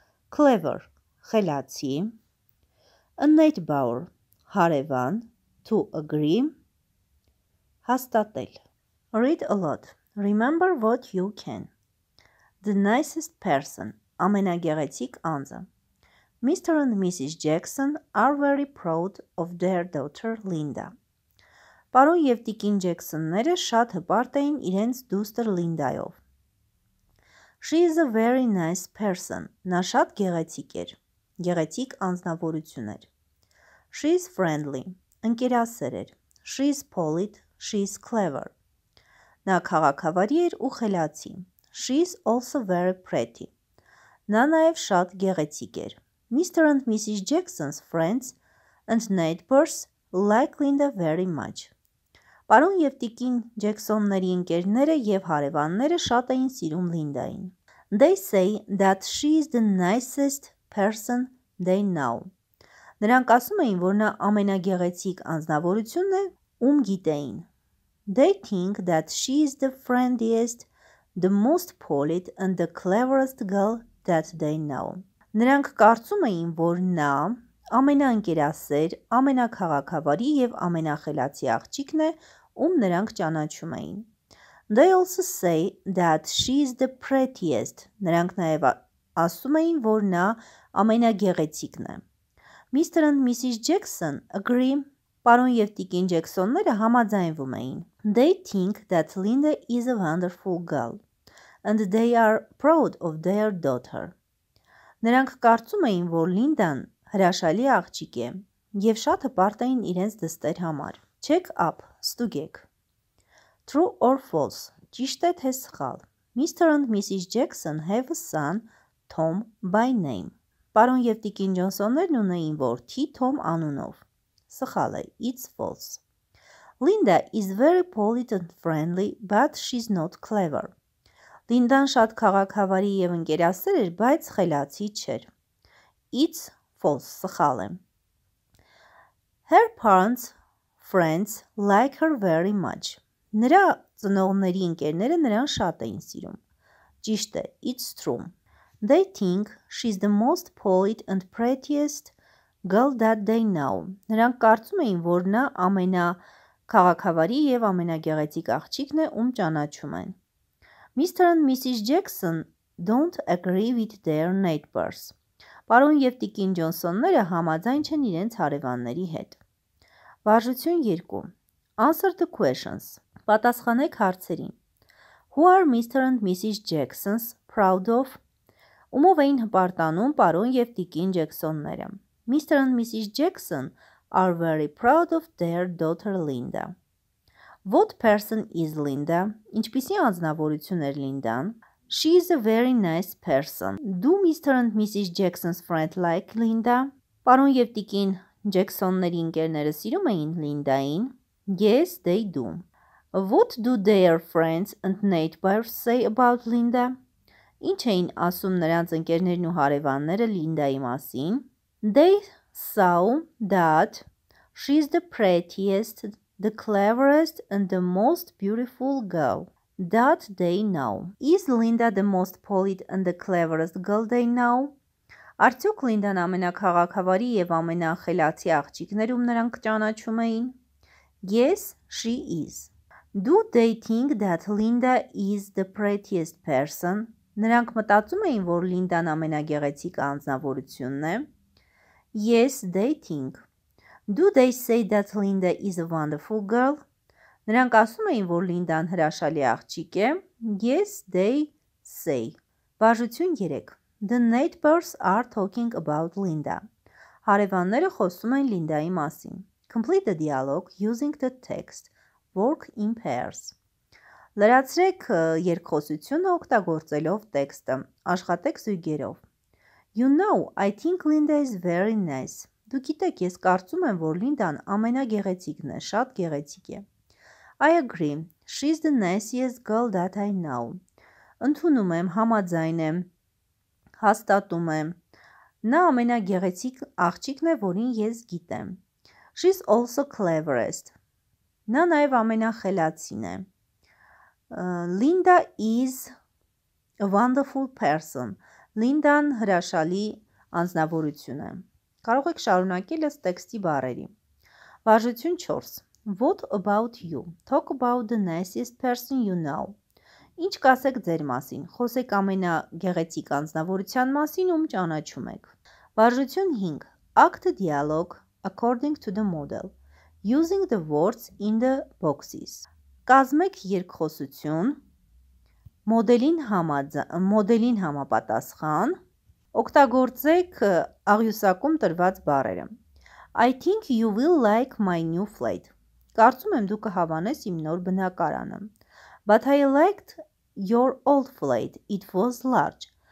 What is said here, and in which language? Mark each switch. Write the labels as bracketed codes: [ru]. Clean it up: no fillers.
[en] Clever, [hy] խելացի. [en] A neighbor, [hy] հարևան. [en] To agree, [hy] հաստատել. [en] Read a lot. Remember what you can. The nicest person, [hy] ամենագեղեցիկ անձը. [en] Mr. and Mrs. Jackson are very proud of their daughter Linda. [hy] Պարոն և տիկին Ջեքսոնները շատ հպարտ էին իրենց դուստր Լինդայով. [en] She is a very nice person. [hy] Նա շատ գեղեցիկ էր. Գեղեցիկ անձնավորություն էր. [en] She is friendly. [hy] Ընկերասեր էր. [en] She is polite. She is clever. [hy] Նա քաղաքավարի էր ու խելացի. [en] She is also very pretty. [hy] Նա նաև շատ գեղեցիկ էր. [en] Mr. and Mrs. Jackson's friends and neighbors like Linda very much. [hy] Պարոն և տիկին Ջեքսոնների ընկերները և հարևանները շատ էին սիրում Լինդային. [en] They say that she is the nicest person they know. [hy] Նրանք ասում էին, որ նա ամենագեղեցիկ անձնավորությունն է, ում գիտեին. [en] They think that she is the friendliest, the most polite and the cleverest girl that they know. [hy] Նրանք կարծում էին, որ նա ամենաընկերասեր, ամենակաղաքավարի և ամենախելացի աղջիկն է, ում նրանք ճանաչում էին. [en] They also say that she is the prettiest. [hy] Նրանք նաև ասում էին, որ նա ամենագեղեցիկն է. [en] Mr. and Mrs. Jackson agree. [hy] Պարոն և տիկին Ջեքսոնները համաձայնվում էին. [en] They think that Linda is a wonderful girl and they are proud of their daughter. [hy] Նրանք կարծում էին, որ Լինդան հրաշալի աղջիկ է և շատ հպարտ էին իրենց դստեր համար. [en] Check up, [hy] ստուգեք. [en] True or false, [hy] ճիշտ է թե սխալ. [en] Mr. and Mrs. Jackson have a son, Tom, by name. [hy] Պարոն և տիկին Ջոնսոններն ունեին որդի Tom անունով. Սխալ է, [en] it's false. Linda is very polite and friendly, but she's not clever. [hy] Լինդան շատ քաղաքավարի և ընկերասեր էր, բայց խելացի չէր. [en] It's false, [hy] սխալ է. [en] Her parents, friends like her very much. [hy] Նրա ծնողների ընկերները նրան շատ էին սիրում. Ճիշտ է, [en] it's true. They think she's the most polite and prettiest girl that they know. [hy] Նրանք կարծում էին, որ նա ամենակաղաքավարի և ամենագեղեցիկ աղջիկն է, ում ճանաչում են. [en] Mr. and Mrs. Jackson don't agree with their neighbors. [hy] Պարոն և տիկին Ջոնսոնները համաձայն չեն իրենց հարևանների հետ. Վարժություն 2. [en] Answer the questions. [hy] Պատասխանեք հարցերին. [en] Who are Mr. and Mrs. Jackson's proud of? [hy] Ումով էին հպարտանում պարոն և տիկին Ջեքսոնները. [en] Mr. and Mrs. Jackson are very proud of their daughter Linda. What person is Linda? [hy] Ինչպիսի անձնավորություն էր Լինդան? [en] She is a very nice person. Do Mr. and Mrs. Jackson's friend like Linda? [hy] Պարոն և տիկին Ջեքսոնների ընկերները սիրում էին Լինդային? [en] Yes, they do. What do their friends and neighbors say about Linda? [hy] Ինչ էին ասում նրանց ընկերներն ու հարևանները Լինդայի մասին? [en] They saw that she is the prettiest, the cleverest and the most beautiful girl that they know. Is Linda the most polite and the cleverest girl they know? [hy] Արդյոք Լինդան ամենակաղաքավարի և ամենախելացի աղջիկներում նրանք ճանաչում էին? [en] Yes, she is. Do they think that Linda is the prettiest person? [hy] Նրանք մտածում էին, որ Լինդան ամենագեղեցիկ անձնավորությունն է? [en] Yes, they think. Do they say that Linda is a wonderful girl? [hy] Նրանք ասում էին, որ Լինդան հրաշալի աղջիկ է? [en] Yes, they say. [hy] Վարժություն 3. [en] The neighbors are talking about Linda. [hy] Հարևանները խոսում են Լինդայի մասին. [en] Complete the dialogue using the text. Work in pairs. [hy] Լրացրեք երկխոսությունը օգտագործելով տեքստը, աշխատեք զույգերով. [en] You know, I think Linda is very nice. [hy] Դու գիտեք, ես կարծում եմ, որ Լինդան ամենագեղեցիկն է, շատ գեղեցիկ է. [en] I agree, she's the nicest girl that I know. [hy] ընդունում եմ, համաձայն եմ, հաստատում եմ։ Նա ամենագեղեցիկ աղջիկն է, որին ես գիտեմ։ [en] She's also cleverest. [hy] Նա նաև ամենախելացին է։ [en] Linda is a wonderful person. [hy] Linda-ն հրաշալի անձնավորություն է։ Կարող եք շարունակել ըստ տեքստի բառերի։ Վարժություն 4. [en] What about you? Talk about the nicest person you know. [hy] Ինչ կասեք ձեր մասին։ Խոսեք ամենագեղեցիկ անձնավորության մասին, ում ճանաչում եք։ Վարժություն 5. [en] Act the dialogue according to the model, using the words in the boxes. [hy] Կազմեք երկխոսություն մոդելին համապատասխան, օգտագործեք աղյուսակում տրված բառերը։ [en] I think you will like my new flat. [hy] Կարծում եմ դու կհավանես իմ նոր բնակարանը։ [en] But I liked your old flat. It was large.